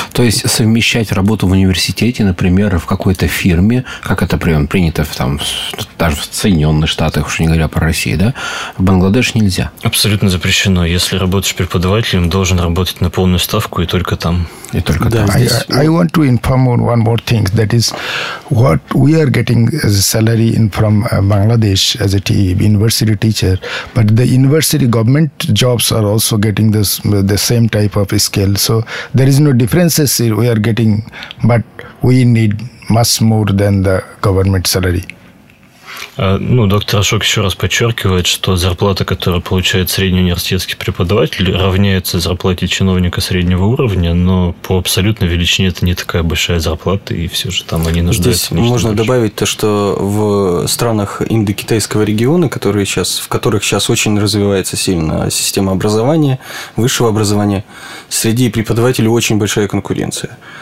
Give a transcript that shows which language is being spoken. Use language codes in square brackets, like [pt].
[ru] То есть совмещать работу в университете, например, в какой-то фирме, как это принято там, даже в Соединенных Штатах, уж не говоря про Россию, да, в Бангладеш нельзя? Абсолютно запрещено. Если работаешь преподавателем, должен работать на полную ставку и только там. И только да, там. [en] I want to inform on one more thing. That is, what we are getting as a salary in from Bangladesh as a university teacher, but the university government jobs are also getting this, the same type of scale. So there is no differences we are getting, but we need much more than the government salary. [ru] Ну, доктор Ашок еще раз подчеркивает, что зарплата, которую получает средний университетский преподаватель, равняется зарплате чиновника среднего уровня, но по абсолютной величине это не такая большая зарплата, и все же там они нуждаются. Здесь можно добавить то, что в странах индокитайского региона, в которых сейчас очень развивается сильно система образования, высшего образования, среди преподавателей очень большая конкуренция.